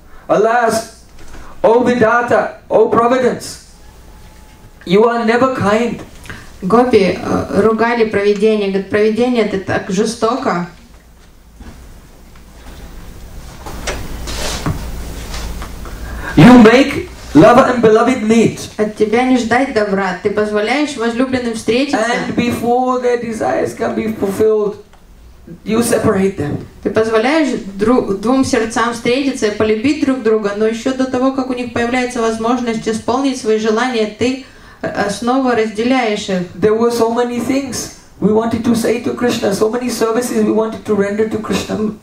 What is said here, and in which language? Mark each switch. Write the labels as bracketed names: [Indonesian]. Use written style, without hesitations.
[English] Alas, O Vidata, O Providence, you are never kind. [Russian] Гопи ругали провидение, говорят, провидение это так жестоко. [English] You make Love and beloved meet. [Russian] От тебя не ждать добра, ты позволяешь возлюбленным встретиться. [English] And before their desires can be fulfilled, you separate them. [Russian] Ты позволяешь двум сердцам встретиться и полюбить друг друга, но еще до того, как у них появляется возможность исполнить свои желания, ты снова разделяешь их. [English] There were so many things we wanted to say to Krishna, so many services we wanted to render to Krishna.